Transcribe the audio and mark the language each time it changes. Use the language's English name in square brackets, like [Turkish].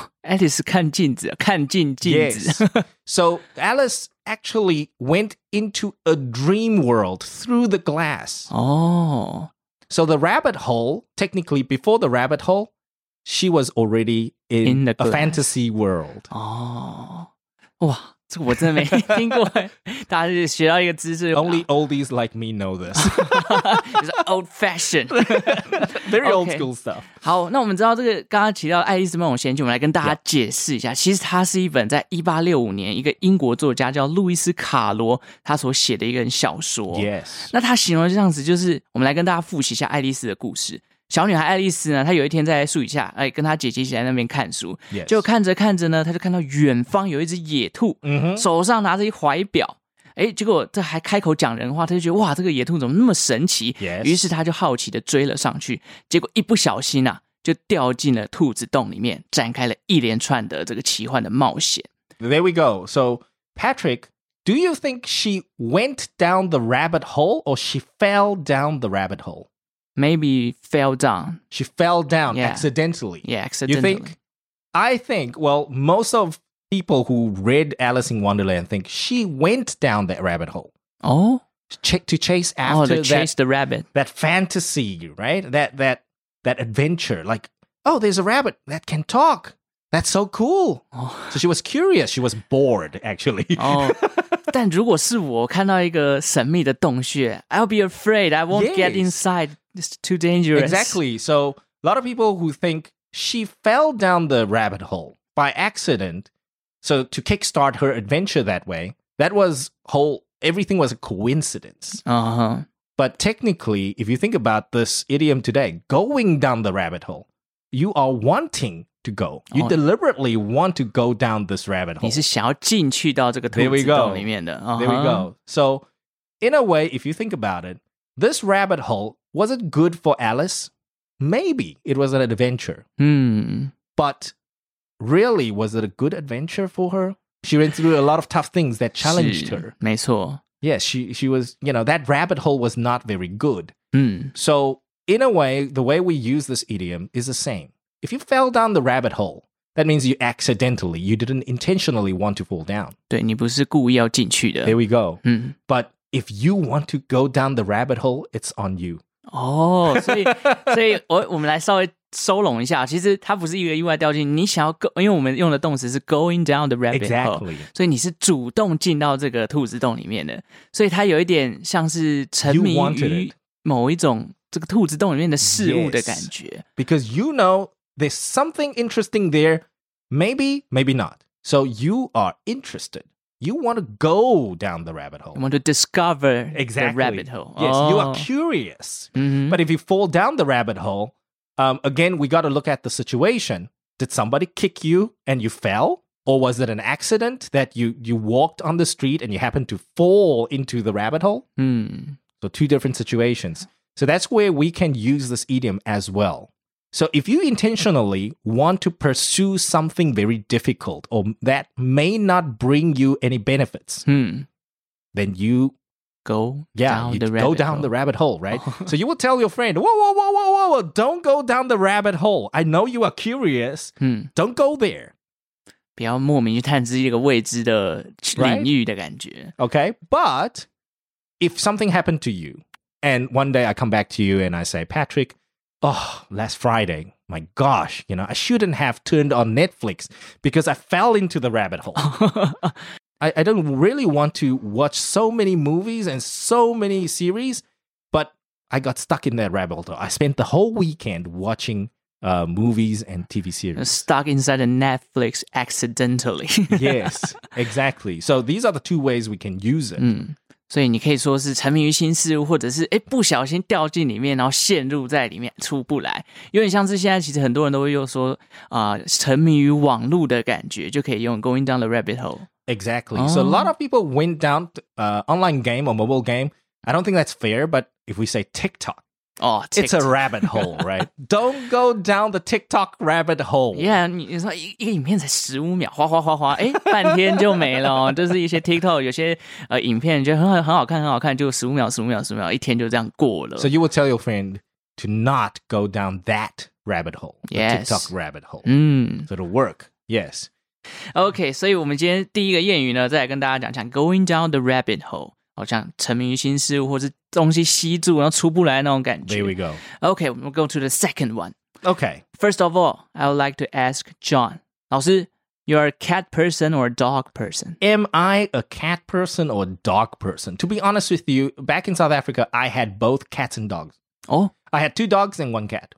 [Chinese] Alice 看镜子，看进镜子。 [English] Yes. So Alice actually went into a dream world through the glass. Oh. So the rabbit hole, technically before the rabbit hole, she was already in a fantasy world. Oh, wow. [Chinese] 我真的没听过，大家就学到一个知识。 [English] Only oldies like me know this. It's old fashioned. Very old school stuff. [Chinese] 好，那我们知道这个刚刚提到《爱丽丝梦游仙境》，我们来跟大家解释一下。其实它是一本在1865年一个英国作家叫路易斯·卡罗他所写的一个小说。 [English] Yes. [Chinese] 那他形容这样子，就是我们来跟大家复习一下爱丽丝的故事。小女孩爱丽丝呢，她有一天在树底下，哎，跟她姐姐一起在那边看书， [English] yes. [Chinese] 就看着看着呢，她就看到远方有一只野兔， [English] mm-hmm. [Chinese] 手上拿着一怀表，哎，结果这还开口讲人话，她就觉得哇，这个野兔怎么那么神奇？ [English] Yes. [Chinese] 于是她就好奇的追了上去，结果一不小心啊，就掉进了兔子洞里面，展开了一连串的这个奇幻的冒险。 [English] There we go. So Patrick, do you think she went down the rabbit hole or she fell down the rabbit hole? Maybe fell down. She fell down accidentally. Yeah, accidentally. You think? I think, well, most of people who read Alice in Wonderland think she went down that rabbit hole. Oh? To chase after that. Oh, to chase that, the rabbit. That fantasy, right? That adventure. Like, oh, there's a rabbit that can talk. That's so cool. Oh. So she was curious. She was bored, actually. [Chinese] Oh. 但如果是我看到一个神秘的洞穴, [English] I'll be afraid. I won't get inside. It's too dangerous. Exactly. So a lot of people who think she fell down the rabbit hole by accident, so to kickstart her adventure that way, that was everything was a coincidence. Uh-huh. But technically, if you think about this idiom today, going down the rabbit hole, you are wanting to go. You deliberately want to go down this rabbit hole. [Chinese] 你是想要进去到这个兔子洞里面的。 [English] There we go. So in a way, if you think about it, this rabbit hole,Was it good for Alice? Maybe it was an adventure. Hmm. But really, was it a good adventure for her? She went through a lot of tough things that challenged her. [Chinese] 没错。 [English] Yes, she was, you know, that rabbit hole was not very good. Hmm. So in a way, the way we use this idiom is the same. If you fell down the rabbit hole, that means you accidentally, you didn't intentionally want to fall down. [Chinese] 对，你不是故意要进去的。 [English] There we go. Hmm. But... If you want to go down the rabbit hole, it's on you. Oh, so we'll [Chinese] 稍微收拢一下。其实它不是一个意外掉进，你想要 go, 因为我们用的动词是 [English] going down the rabbit hole. Exactly. [Chinese] 所以你是主动进到这个兔子洞里面的。所以它有一点像是沉迷于某一种这个兔子洞里面的事物的感觉。 [English] Yes, because you know there's something interesting there, maybe, maybe not. So you are interested. You want to go down the rabbit hole. You want to discover exactly. the rabbit hole. Yes,、oh. you are curious.、 Mm-hmm. But if you fall down the rabbit hole,、again, we got to look at the situation. Did somebody kick you and you fell? Or was it an accident that you walked on the street and you happened to fall into the rabbit hole?、 Mm. So two different situations. So that's where we can use this idiom as well. So if you intentionally want to pursue something very difficult or that may not bring you any benefits,、 hmm. then you go, down the rabbit hole, right? So you will tell your friend, whoa, whoa, whoa, whoa, whoa, whoa, don't go down the rabbit hole. I know you are curious.、 Hmm. Don't go there. [Chinese] 不要莫名去探知一个未知的领域的感觉。 [English] Okay, but if something happened to you and one day I come back to you and I say, Patrick,Oh, last Friday, my gosh, you know, I shouldn't have turned on Netflix because I fell into the rabbit hole. I don't really want to watch so many movies and so many series, but I got stuck in that rabbit hole. I spent the whole weekend watching、movies and TV series. Stuck inside a Netflix accidentally. Yes, exactly. So these are the two ways we can use it.、 Mm. [Chinese] 所以你可以说是沉迷于新事物，或者是哎不小心掉进里面，然后陷入在里面出不来。有点像是现在其实很多人都会又说沉迷于网络的感觉，就可以用 [English] going down the rabbit hole. Exactly.、Oh. So a lot of people went down online game or mobile game. I don't think that's fair, but if we say TikTok, oh, TikTok. It's a rabbit hole, right? Don't go down the TikTok rabbit hole. [Chinese] Yeah, 你说一个影片才15秒，哗哗哗哗，哎，半天就没了。就是一些 TikTok 有些影片，觉得很好看，就15秒、15秒、15秒，一天就这样过了。 [English] So you will tell your friend to not go down that rabbit hole, the yes. TikTok rabbit hole. Mm. So it'll work, yes. [Chinese] Okay, 所以我们今天第一个谚语呢，再来跟大家讲讲 [English] going down the rabbit hole. [Chinese] 好像沉迷于新事物或是东西吸住然后出不来那种感觉。 [English] There we go. Okay, we'll go to the second one. Okay. First of all, I would like to ask John. 老师, you're a cat person or a dog person? Am I a cat person or a dog person? To be honest with you, back in South Africa, I had both cats and dogs. Oh? I had two dogs and one cat.